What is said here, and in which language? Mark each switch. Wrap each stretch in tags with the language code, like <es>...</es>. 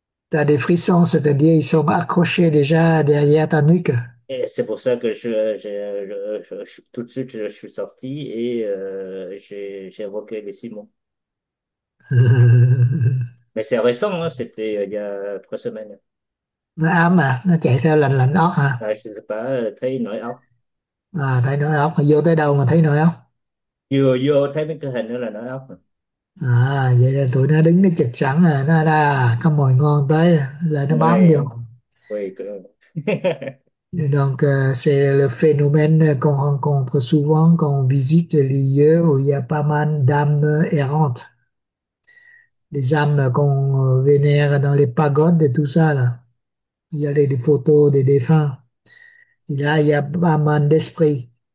<fr>T'as des frissons, c'est-à-dire ils sont accrochés déjà derrière ta nuque. Et c'est pour ça que je tout de suite, je suis sorti et j'ai invoqué les Simons. Mais c'est récent, hein, c'était il y a 3 semaines.</fr> <vi>Nó ám à, nó chạy theo lạnh lạnh óc hả?</vi> <fr>Là, je sais pas,</fr> <vi>thấy nỗi óc. À, thấy nỗi óc, vô tới đâu mà thấy nỗi óc? Vừa vô thấy mấy cái hình đó là nỗi óc. À, vậy là tụi nó đứng nó chực sẵn à, nó đã có mồi ngon tới, là nó bám vô.</vi> <fr>Oui, Donc, c'est le phénomène qu'on rencontre souvent quand on visite les lieux où il y a pas mal d'âmes errantes. Les âmes qu'on vénère dans les pagodes et tout ça, là. Il y a des photos des défunts. Il y a pas mal d'esprit.</fr>